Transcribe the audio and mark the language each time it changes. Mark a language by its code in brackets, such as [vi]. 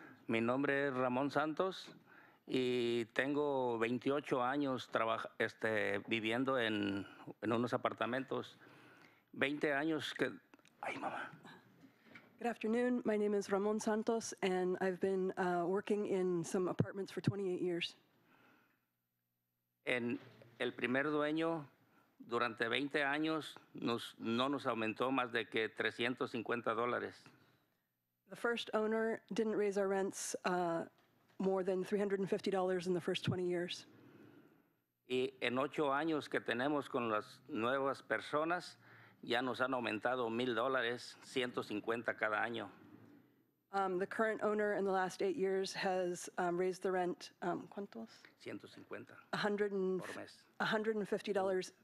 [es] Mi nombre es Ramón Santos y tengo 28 años viviendo en unos apartamentos. 20 años que... Ay, mamá. [en] Good afternoon. My name is Ramón Santos and I've been working in some apartments for 28 years. [es] En el primer dueño, durante 20 años, no nos aumentó más de que $350. [en] The first owner didn't raise our rents more than $350 in the first 20 years. [es] Y en 8 años que tenemos con las nuevas personas, ya nos han aumentado $1,000, $150 cada año. [en] The current owner in the last 8 years has raised the rent, [es] ¿cuántos? 150. Por mes. $150.